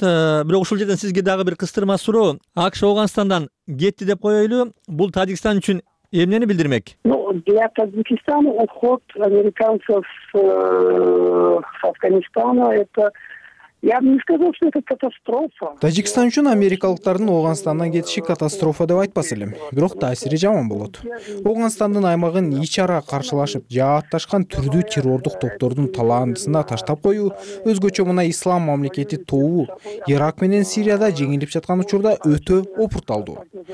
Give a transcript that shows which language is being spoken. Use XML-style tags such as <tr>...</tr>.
<ky>Бирок ушул жерден сизге дагы бир кыстырма суроо: АКШ Ооганстандан кетти деп коёлу, бул Тажикстан үчүн эмнени билдирмек?</ky> <ru>Для Таджикистана уход американцев с Афганистана это...</ru> <ky>Тажикстан үчүн америкалыктардын Оогандан кетиши катастрофа деп айтпас элем, бирок таасири жаман болот. Оогандын аймагын ич ара каршылашып жааташкан түрдүү террордук топтордун талаандысына таштап коюу, өзгөчө мына ислам мамлекети тобу Ирак менен Сирияда жеңилип жаткан учурда өтө опурталдуу.</ky>